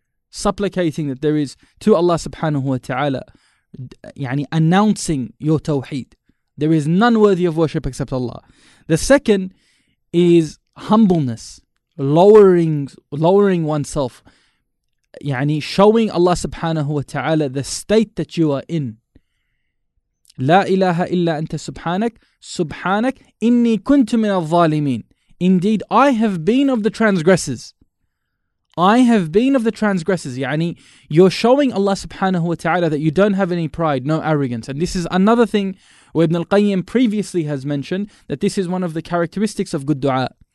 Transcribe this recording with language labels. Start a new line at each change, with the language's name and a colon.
English: Supplicating that there is to Allah subhanahu wa ta'ala. يعني announcing your tawheed. There is none worthy of worship except Allah. The second is humbleness. Lowering oneself. يعني showing Allah subhanahu wa ta'ala the state that you are in.
Arabic: لا إله إلا أنت سبحانك سبحانك إني كنت من الظالمين.
English: Indeed, I have been of the transgressors. I have been of the transgressors. يعني you're showing Allah subhanahu wa ta'ala that you don't have any pride, no arrogance. And this is another thing where Ibn al-Qayyim previously has mentioned that this is one of the characteristics of good dua.